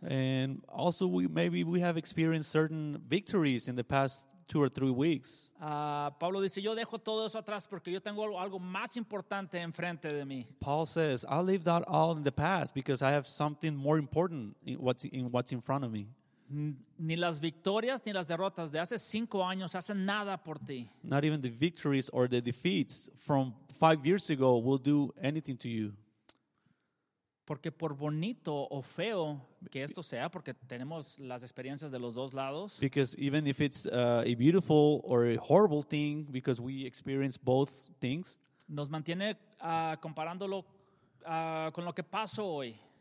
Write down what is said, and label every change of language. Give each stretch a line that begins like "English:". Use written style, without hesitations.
English: And also maybe we have experienced certain victories in the past 2 or 3 weeks.
Spanish: Pablo dice, yo dejo todo eso atrás porque yo tengo algo más importante enfrente de mí.
English: Paul says, I'll leave that all in the past because I have something more important in what's in front of me.
Spanish: Ni las victorias ni las derrotas de hace 5 años hacen nada por ti.
English: Not even the victories or the defeats from 5 years ago will do anything to you.
Spanish: Porque por bonito o feo que esto sea, porque tenemos las experiencias de los dos lados.
English: Because even if it's a beautiful or a horrible thing, because we experience both things.
Spanish: Nos mantiene comparándolo con lo que pasó hoy.